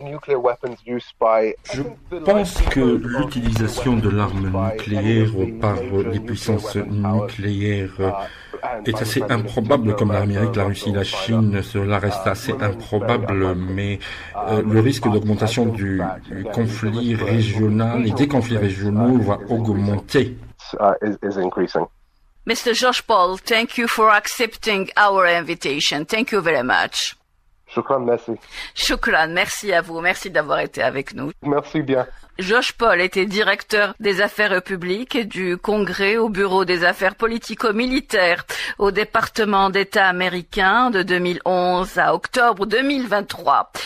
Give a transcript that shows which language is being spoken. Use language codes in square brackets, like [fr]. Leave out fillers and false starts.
[fr] Je pense que l'utilisation de l'arme nucléaire par les puissances nucléaires est assez improbable, comme l'Amérique, la Russie, la Chine, cela reste assez improbable, mais le risque d'augmentation du conflit régional et des conflits régionaux va augmenter. [en] Mr. Josh Paul, thank you for accepting our invitation. Thank you very much. [fr] Shukran, merci. Shukran, merci à vous. Merci d'avoir été avec nous. Merci bien. Josh Paul était directeur des affaires publiques du Congrès au Bureau des affaires politico-militaires au département d'État américain de 2011 à octobre 2023.